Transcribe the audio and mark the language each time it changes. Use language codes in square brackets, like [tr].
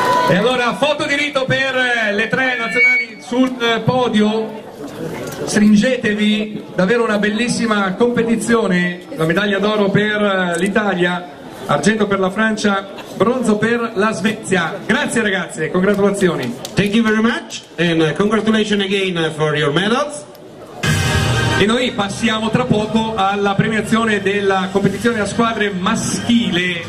[it] E allora foto di rito per le tre nazionali sul podio. Stringetevi, davvero una bellissima competizione. La medaglia d'oro per l'Italia, argento per la Francia, bronzo per la Svezia. Grazie ragazze, congratulazioni. [en] Thank you very much and congratulations again for your medals. [it] E noi passiamo tra poco alla premiazione della competizione a squadre maschile.